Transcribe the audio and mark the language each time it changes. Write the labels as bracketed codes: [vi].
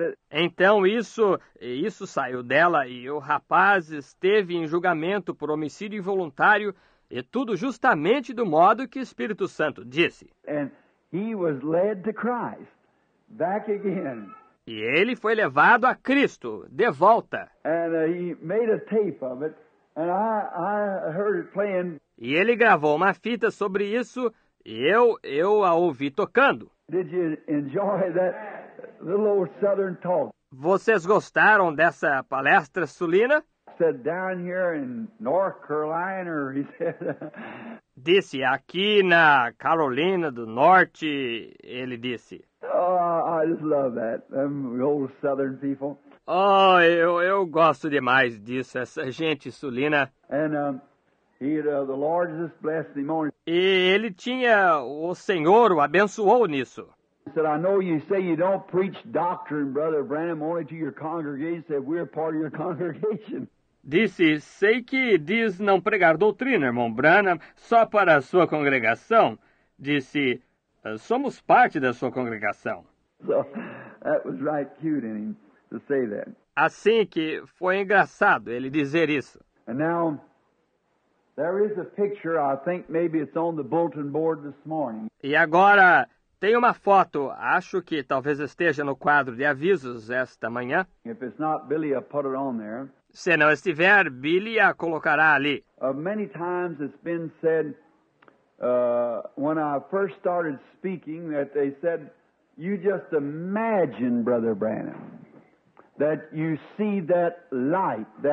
[pt] Então isso saiu dela e o rapaz esteve em julgamento por homicídio involuntário e tudo justamente do modo que o Espírito Santo disse. [en] And he was led to Christ, back again. [pt] E ele foi levado a Cristo de volta. [en] And he made a tape of it, and I heard it playing. [pt] E ele gravou uma fita sobre isso. Eu a ouvi tocando. [en] Did you enjoy that little old southern talk? [pt] Vocês gostaram dessa palestra sulina? [en] Said down here in North Carolina, he said. [pt] Disse aqui na Carolina do Norte, ele disse. [en] Oh, I just love that. Them old southern people. [pt] Oh, eu gosto demais disso, essa gente sulina. [en] And the Lord just blessed him on. [pt] E ele tinha, o Senhor o abençoou nisso. [en] He said, I know you say you don't preach doctrine, Brother Branham, only to your congregation. He said, we're part of your congregation. [pt] Disse, sei que diz não pregar doutrina, irmão Branham, só para a sua congregação. Disse, somos parte da sua congregação. [en] So, that was right cute in him to say that. [pt] Assim que foi engraçado ele dizer isso. [en] And now, there is a picture, I think maybe it's on the bulletin board this morning. [pt] E agora, tem uma foto, acho que talvez esteja no quadro de avisos esta manhã. [en] If it's not, Billy, I'll put it on there. [pt] Se não estiver, Billy a colocará ali. [en] Many times it's been said, when I first started speaking, that they said, you just imagine, Brother Branham, that you see that light,